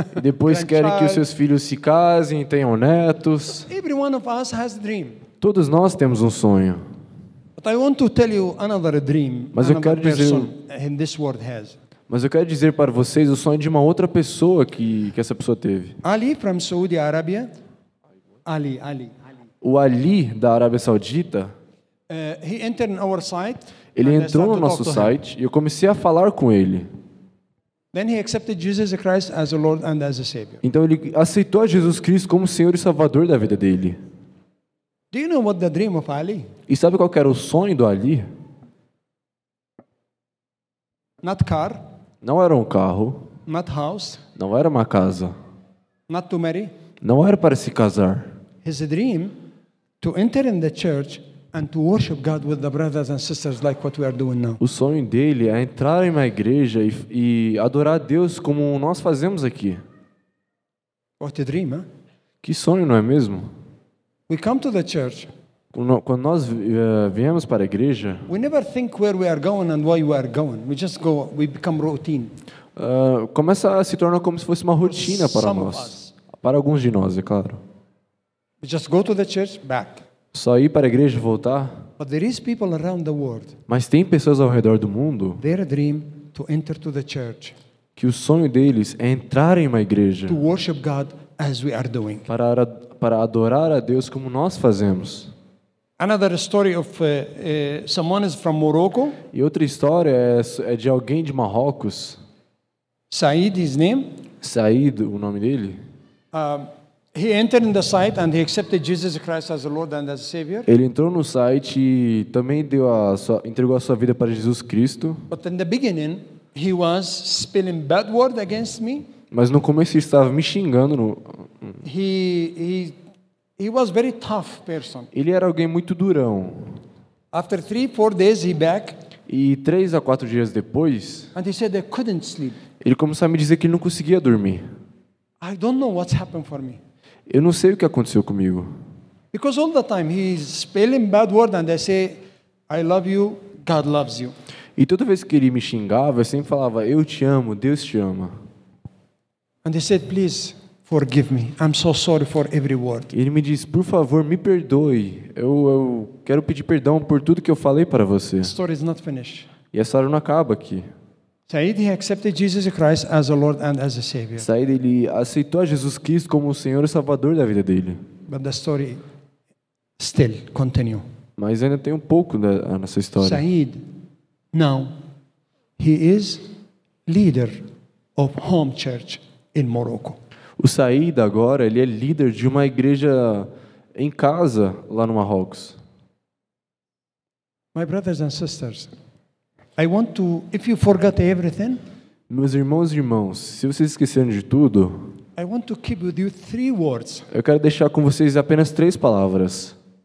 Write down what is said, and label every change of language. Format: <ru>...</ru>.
<pt>Depois querem que os seus filhos se casem e tenham netos.</pt> <en>Every one of us has a dream.</en> <pt>Todos nós temos um sonho.</pt> <en>But I want to tell you another dream.</en> <pt>Mas eu quero dizer.</pt> <en>In this world has.</en> <pt>Mas eu quero dizer para vocês o sonho de uma outra pessoa que essa pessoa teve.</pt> <en>Ali, from Saudi Arabia. Ali.</en> <pt>O Ali da Arábia Saudita.</pt> <en>He entered in our site.</en> <pt>Ele entrou no nosso site e eu comecei a falar com ele.</pt> <en>Then he accepted Jesus Christ as the Lord and as the Savior.</en> <pt>Então ele aceitou Jesus Cristo como Senhor e Salvador da vida dele.</pt> <en>Do you know what the dream of Ali?</en> <pt>E sabe qual era o sonho do Ali?</pt> <en>Not car.</en> <pt>Não era um carro.</pt> <en>Not house.</en> <pt>Não era uma casa.</pt> <en>Not to marry.</en> <pt>Não era para se casar.</pt> <en>His dream to enter in the church. And to worship God with the brothers and sisters like what we are doing now.</en> <pt>O sonho dele é entrar em uma igreja e adorar a Deus como nós fazemos aqui.</pt> <en>What a dream, huh?</en> <pt>Que sonho, não é mesmo?</pt> <en>We come to the church.</en> <pt>Quando nós viemos para a igreja.</pt> <en>We never think where we are going and why we are going. We just go. We become routine.</en> <pt>Começa a se tornar como se fosse uma rotina para</pt> <en>some</en> <pt>nós.</pt> <en>Of us.</en> <pt>Para alguns de nós, é claro.</pt> <en>We just go to the church, back.</en> <pt>Só ir para a igreja e voltar.</pt> <en>But there is people around the world.</en> <pt>Mas tem pessoas ao redor do mundo.</pt> <en>Their dream to enter to the church.</en> <pt>Que o sonho deles é entrar em uma igreja.</pt> <en>To worship God as we are doing.</en> <pt>Para adorar a Deus como nós fazemos.</pt> <en>Another story of someone is from Morocco.</en> <pt>E outra história é de alguém de Marrocos.</pt> <en>Said his name.</en> <pt>Said, o nome dele.</pt> <en>He entered in the site and he accepted Jesus Christ as the Lord and as the Savior.</en> <pt>Ele entrou no site e também entregou a sua vida para Jesus Cristo.</pt> <en>But in the beginning, he was spilling bad word against me.</en> <pt>Mas no começo ele estava me xingando.</pt> <en>He was very tough person.</en> <pt>Ele era alguém muito durão.</pt> <en>After 3-4 days he back.</en> <pt>E 3-4 dias depois.</pt> <en>And he said I couldn't sleep.</en> <pt>Ele começou a me dizer que ele não conseguia dormir.</pt> <en>I don't know what's happened for me.</en> <pt>Eu não sei o que aconteceu comigo.</pt> <en>Because all the time he's spelling bad word and I say I love you, God loves you.</en> <pt>E toda vez que ele me xingava, eu sempre falava, eu te amo, Deus te ama.</pt> <en>And he said, please forgive me. I'm so sorry for every word.</en> <pt>E ele me disse, por favor, me perdoe. Eu quero pedir perdão por tudo que eu falei para você.</pt> <en>The story is not finished.</en> <pt>E a história não acaba aqui.</pt> <en>Said he accepted Jesus Christ as a Lord and as a Savior.</en> <pt>Said ele aceitou Jesus Cristo como o Senhor e Salvador da vida dele.</pt> <en>But the story still continue.</en> <pt>Mas ainda tem um pouco nessa história.</pt> <en>Said now he is leader of home church in Morocco.</en> <pt>O Said agora ele é líder de uma igreja em casa lá no Marrocos.</pt> <en>My brothers and sisters, I want to, if you forgot everything,</en> <pt>meus irmãos e irmãs, se vocês esqueceram de tudo,</pt> <en>I want to keep with you three words.</en> <pt>Eu quero deixar com vocês apenas três palavras.</pt>